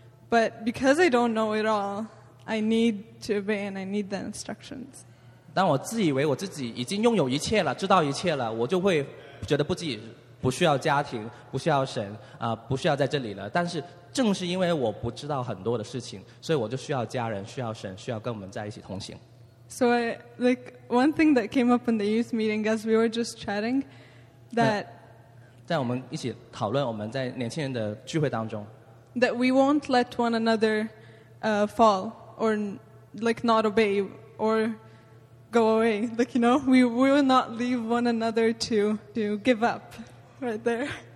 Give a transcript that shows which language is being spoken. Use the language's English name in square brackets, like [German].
[English] But because I don't know it all, I need to obey and I need the instructions. [Chinese] 当我自以为我自己已经拥有一切了，知道一切了，我就会觉得不需要家庭，不需要神，不需要在这里了。但是正是因为我不知道很多的事情，所以我就需要家人，需要神，需要跟我们在一起同行。 [English] So I, like one thing that came up in the youth meeting as we were just chatting, that [Chinese] 在我们一起讨论我们在年轻人的聚会当中。 [English] That we won't let one another fall or like not obey or go away. Like, you know, we will not leave one another to give up right there.